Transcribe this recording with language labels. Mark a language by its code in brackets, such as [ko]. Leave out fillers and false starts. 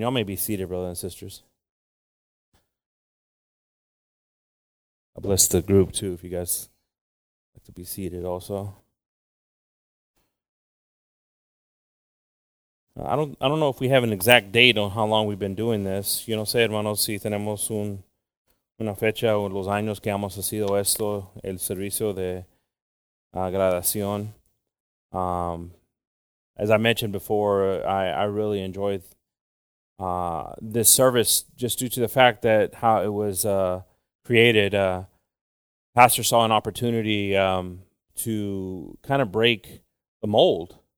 [en] Y'all may be seated, brothers and sisters. God bless the group, too, if you guys like to be seated also. I don't know if we have an exact date on how long we've been doing this. [es] Yo no sé, hermanos, si tenemos una fecha o los años que hemos sido esto, el servicio de graduación. [en] As I mentioned before, I really enjoyed this service just due to the fact that how it was created. Pastor saw an opportunity to kind of break the mold.